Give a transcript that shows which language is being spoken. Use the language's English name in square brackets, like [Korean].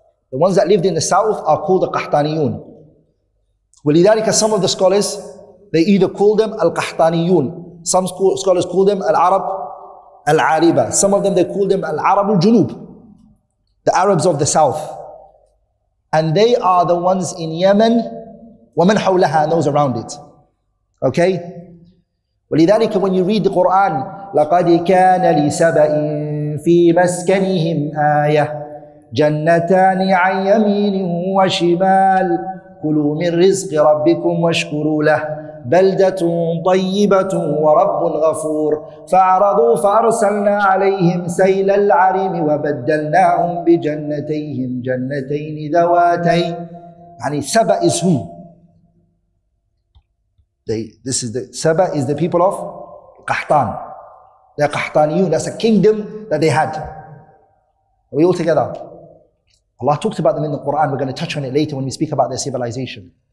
[English] The ones that lived in the south are called the Qahtaniyoon. [Arabic] ولذلك [English] some of the scholars, they either call them Al-Qahtaniyoon. Some scholars call them Al-Arab Al-Ariba. Some of them, they call them Al-Arab Al-Junub, the Arabs of the south. And they are the ones in Yemen, [Arabic] وَمَنْ حَوْلَهَا, [English] those around it. Okay? [Arabic] ولذلك [English] when you read the Qur'an, [Arabic] لَقَدْ كَانَ لِسَبَئٍ فِي مَسْكَنِهِمْ آيَةٍ جَنَّتَانِ عَنْ يَمِينٍ وَشِمَالٍ كُلُوا مِنْ رِزْقِ رَبِّكُمْ وَاشْكُرُوا لَهُ بَلْدَةٌ طَيِّبَةٌ وَرَبٌّ غَفُورٌ فَأَعْرَضُوا فَأَرْسَلْنَا عَلَيْهِمْ سَيْلَ الْعَرِيمِ وَبَدَّلْنَاهُمْ بِجَنَّتَيْهِمْ جَنَّتَيْنِ ذَوَاتَيْ. [English] يعني سَبَأ is who? سَبَأ is the people of Qahtan. They're Qahtaniyun. That's a kingdom that they had. Are we all together? Allah talked about them in the Qur'an. We're going to touch on it later when we speak about their civilization.